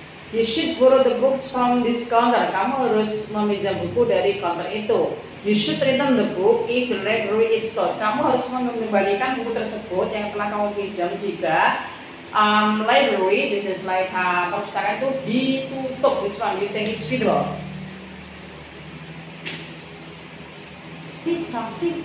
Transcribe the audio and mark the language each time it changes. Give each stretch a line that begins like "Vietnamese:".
English: You should borrow the books from this counter.
Indonesian: Kamu harus meminjam buku dari counter itu.
English: You should return the book if the library is closed.
Indonesian: Kamu harus mengembalikan buku tersebut yang telah kamu pinjam jika library,
English: this is like
Indonesian: perpustakaan itu ditutup.
English: This one, you take it with you. Tik tok.